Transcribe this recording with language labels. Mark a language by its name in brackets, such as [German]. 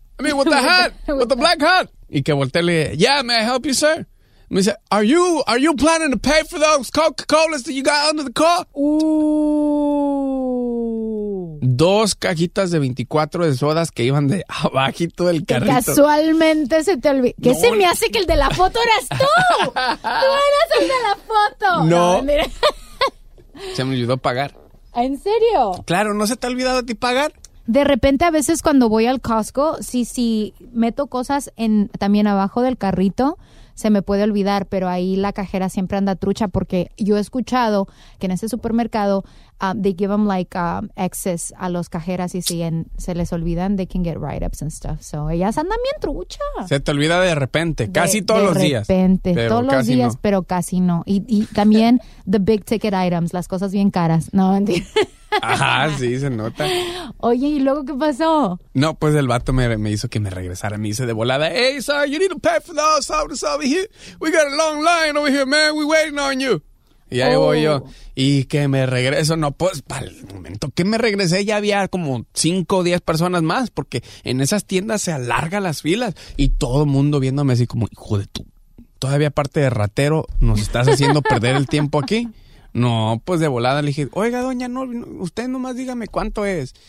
[English] I mean, with the hat, with the black hat. [Spanish] Y que volteé y le dije, [English] yeah, may I help you, sir? [Spanish] Me dice, [English] are you planning to pay for those Coca-Colas that you got under the car? Ooh. [Spanish] Dos cajitas de 24 de sodas que iban de abajito del carrito. Casualmente se te olvidó. ¿Qué no, se me hace que el de la foto eras tú? Tú eras el de la foto. No. Se me olvidó pagar. ¿En serio? Claro, ¿no se te ha olvidado a ti pagar? De repente, a veces cuando voy al Costco, si meto cosas en también abajo del carrito, se me puede olvidar, pero ahí la cajera siempre anda trucha porque yo he escuchado que en ese supermercado, [English] they give them like access [Spanish] a los cajeras y si en, se les olvidan, [English] they can get write-ups and stuff. [Spanish] So ellas andan bien trucha. Se te olvida de repente, casi todos los días. De repente, todos los días, pero casi no. Y también [English] the big ticket items, [Spanish] las cosas bien caras. No, mentira. Ajá, sí, se nota. Oye, ¿y luego qué pasó? No, pues el vato me hizo que me regresara. Me hice de volada. [English] Hey, sir, you need to pay for those sodas over here. We got a long line over here, man. We waiting on you. [Spanish] Y ahí voy yo. Y que me regreso. No, pues, para el momento que me regresé, ya había como 5 o 10 personas más. Porque en esas tiendas se alargan las filas. Y todo mundo viéndome así como, hijo de tú. Todavía aparte de ratero, nos estás haciendo perder el tiempo aquí. No, pues de volada le dije, oiga, doña, no, usted nomás dígame cuánto es.